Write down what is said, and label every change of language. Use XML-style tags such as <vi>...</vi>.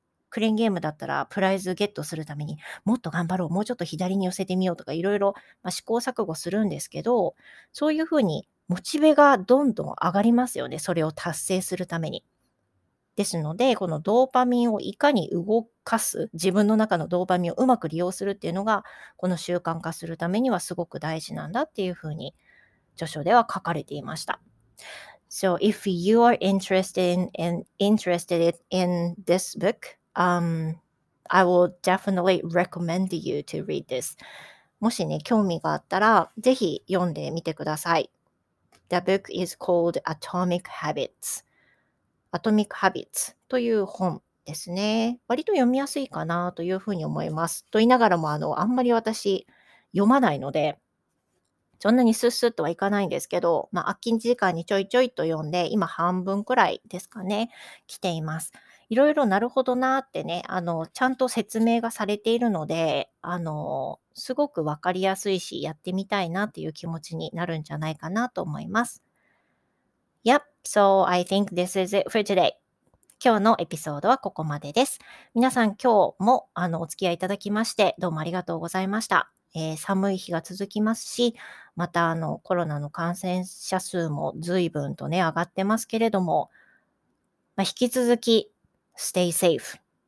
<ja>クレーンゲームだったらプライズゲットするためにもっと頑張ろう、もうちょっと左に寄せてみようとかいろいろ試行錯誤するんですけど、そういうふうにモチベがどんどん上がりますよね、それを達成するために。ですので、このドーパミンをいかに動かす、自分の中のドーパミンをうまく利用するっていうのがこの習慣化するためにはすごく大事なんだっていうふうに著書では書かれていました。</ja> <en>So if you are interested in this book, I will definitely recommend you to read this.</en> <ja>もしね、興味があったら、ぜひ読んでみてください。</ja> <en>The book is called Atomic Habits. Atomic Habits</en> <ja>という本ですね。割と読みやすいかなというふうに思います。と言いながらも、あんまり私読まないので、そんなにスッスッとはいかないんですけど、まあ、空き時間にちょいちょいと読んで、今半分くらいですかね、来ています。いろいろなるほどなってね、ちゃんと説明がされているので、すごくわかりやすいし、やってみたいなっていう気持ちになるんじゃないかなと思います。</ja> <en>Yep, so I think this is it for today.</en> <ja>今日のエピソードはここまでです。皆さん、今日もお付き合いいただきまして、どうもありがとうございました。寒い日が続きますし、またコロナの感染者数も随分とね、上がってますけれども、まあ、引き続き、</ja> <en>stay safe。</en>